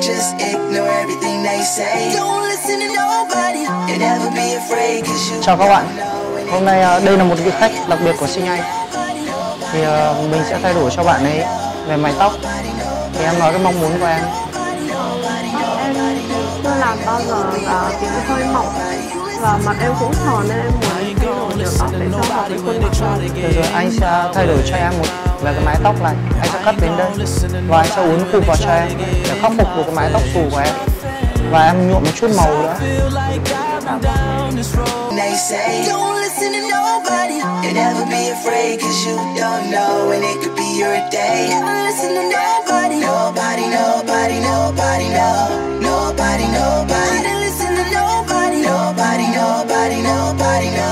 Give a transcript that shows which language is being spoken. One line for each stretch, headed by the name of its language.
English: Just ignore everything they say. Don't listen to nobody. You'll never be afraid 'cause you.
Vietnamese: Chào các bạn. Hôm nay đây là một vị khách đặc biệt của Sinh Anh. Thì mình sẽ thay đổi cho bạn ấy về mái tóc. Thì em nói cái mong muốn của em. Em chưa làm bao giờ và cũng hơi mỏng. Và mặt em cũng tròn nên em muốn thay đổi. Được rồi, anh sẽ thay đổi cho em một về cái mái tóc này. Anh sẽ cắt đến đây. Và anh sẽ uốn cụ vào cho em để khắc phục được cái mái tóc xù của em. Và em nhuộm một chút màu nữa.
English: They say don't listen to nobody. You'll never be afraid 'cause you don't know when it could be your day. Never listen to nobody. Nobody, nobody, nobody, no. Nobody, nobody. Never listen to nobody. Nobody, nobody, nobody, no.